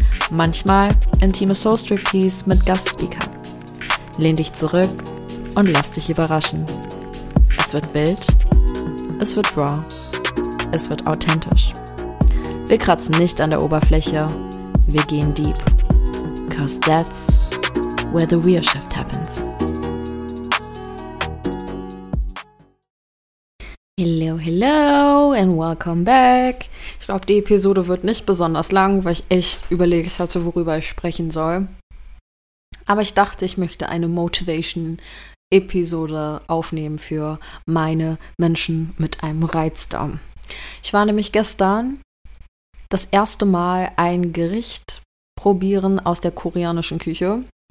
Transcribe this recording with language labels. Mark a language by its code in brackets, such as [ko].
[de] Manchmal intime Soul-Striptease mit Gastspeakern. Lehn dich zurück und lass dich überraschen. Es wird wild, es wird raw, es wird authentisch. Wir kratzen nicht an der Oberfläche, wir gehen deep. [en] 'Cause that's where the real shift happens. Hello, hello and welcome back. [de] Ich glaube, die Episode wird nicht besonders lang, weil ich echt überlegt hatte, worüber ich sprechen soll. Aber ich dachte, ich möchte eine Motivation-Episode aufnehmen für meine Menschen mit einem Reizdarm. Ich war nämlich gestern das erste Mal ein Gericht probieren aus der koreanischen Küche.